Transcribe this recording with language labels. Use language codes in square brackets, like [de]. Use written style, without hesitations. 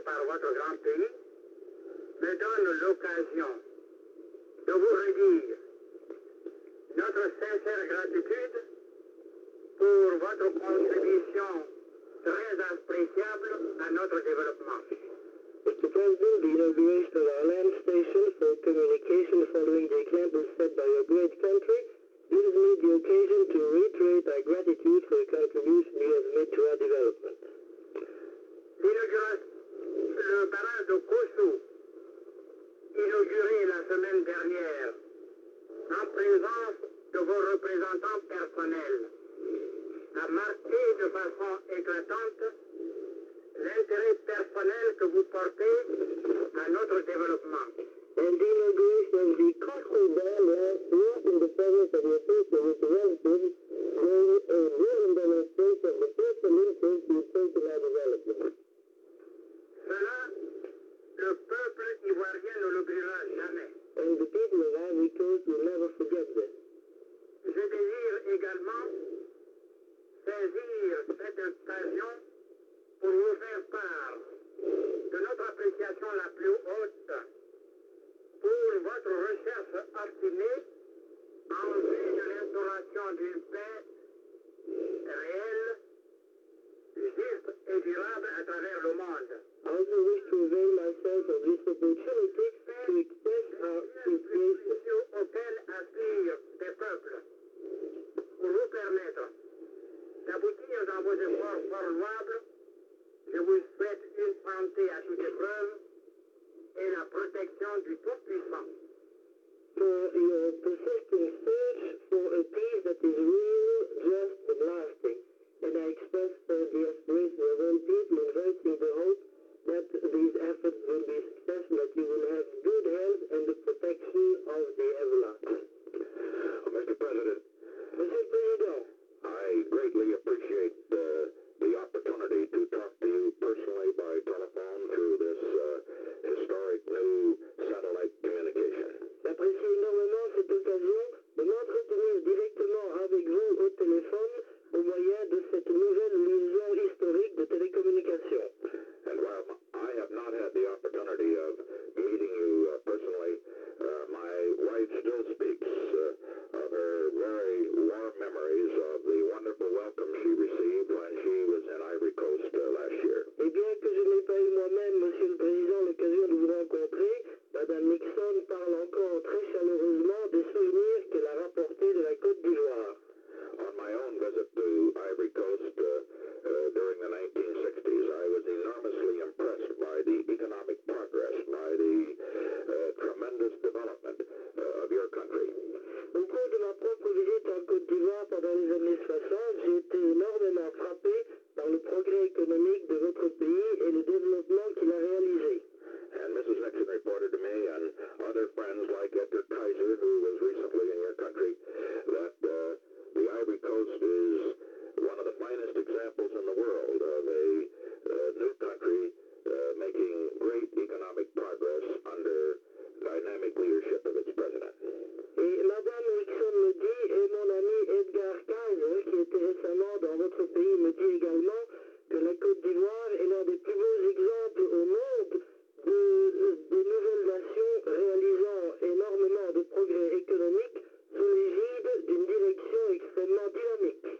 [fr] me donne l'occasion de vous redire notre sincère gratitude pour votre contribution très appréciable à notre développement. [en] Mr. President, the inauguration of our land station for communication following the example set by your great country gives me the occasion to reiterate our gratitude for the contribution you have made to our development. [fr] Le barrage de Kosu, inauguré la semaine dernière, en présence de vos représentants personnels, a marqué de façon éclatante l'intérêt personnel que vous portez à notre développement. [en] And the inauguration of the Kosu Dam was in the presence of your social representatives made a real demonstration of the personal interest you take in our development. [fr] Cela, le peuple ivoirien ne l'oubliera jamais. [en] And the people of Ivory Coast will never forget this. [fr] Je désire également saisir cette occasion pour vous faire part de notre appréciation la plus haute pour votre recherche optimée en vue de l'instauration d'une paix réelle, juste et durable à travers le monde. [en] I also wish to avail myself of this opportunity to express our appreciation [fr] auquel aspire des peuples pour vous permettre d'aboutir dans vos efforts fort louables. Je vous souhaite une santé à toute épreuve et la protection du Tout-Puissant. [en] For your persistent search for a peace that is real, just, and lasting. And I express the aspiration of all people and voicing the hope that these efforts will be successful, that you will have good health and the protection of the everlasting. Mr. President. [fr] Monsieur President. [en] I greatly appreciate the opportunity to talk to you personally by telephone through this historic new satellite communication. [fr] J'apprécie énormément cette occasion de m'entretenir directement avec vous au téléphone au moyen de cette nouvelle liaison historique de télécommunication. [en] And while I have not had the opportunity of meeting you personally, my wife still speaks of her very warm memories of the wonderful welcome she received when she was in Ivory Coast last year. [fr] Et bien que je n'ai pas eu moi-même, Monsieur le Président, l'occasion de vous rencontrer, Madame Nixon parle encore très chaleureusement des souvenirs qu'elle a rapportés de la Côte d'Ivoire. [en] On my own visit to Ivory Coast during the 1960s, I was enormously impressed by the economic progress, by the tremendous development of your country. [fr] Au cours de ma propre visite en Côte d'Ivoire pendant les années 60, j'ai été énormément frappé par le progrès économique de votre pays et le développement qu'il a réalisé. [en] And Mrs. Nixon reported to me and other friends like Edgar Kaiser, who was recently in your country, that the Ivory Coast is one of the finest examples in the world of a new country making great economic progress under dynamic leadership of its president. [fr] Et Madame Nixon me dit, et mon ami Edgar Kaiser, qui était récemment dans votre pays, me dit également que la Côte d'Ivoire est l'un des plus beaux exemples au monde de nouvelles nations réalisant énormément de progrès économiques sous l'égide d'une direction extrêmement dynamique.